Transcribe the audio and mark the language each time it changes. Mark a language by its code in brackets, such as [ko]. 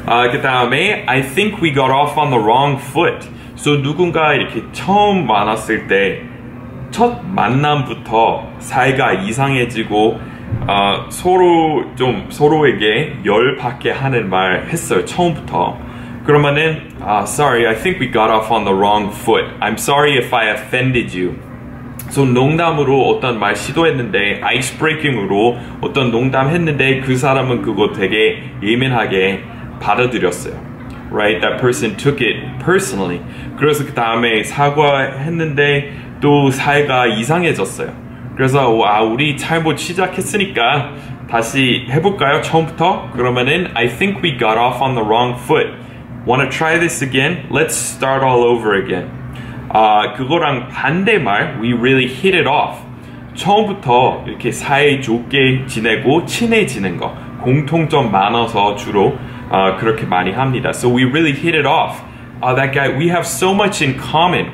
[en] 그다음에 I think we got off on the wrong foot. So [ko] 누군가 이렇게 처음 만났을 때 첫 만남부터 사이가 이상해지고 서로 좀 서로에게 열 받게 하는 말 했어요 처음부터. [en] 그러면은 sorry, I think we got off on the wrong foot. I'm sorry if I offended you. [ko] So 농담으로 어떤 말 시도했는데 icebreaking으로 어떤 농담 했는데 그 사람은 그거 되게 예민하게 받아들였어요. Right? [en] That person took it personally. [ko] 그래서 그 다음에 사과했는데 또 사이가 이상해졌어요. 그래서 와 우리 잘못 시작했으니까 다시 해볼까요? 처음부터? [en] 그러면은 I think we got off on the wrong foot. Wanna try this again? Let's start all over again. [ko] 그거랑 반대말 [en] We really hit it off. [ko] 처음부터 이렇게 사이좋게 지내고 친해지는 거 공통점 많아서 주로 그렇게 많이 합니다. [en] So we really hit it off. That guy, we have so much in common.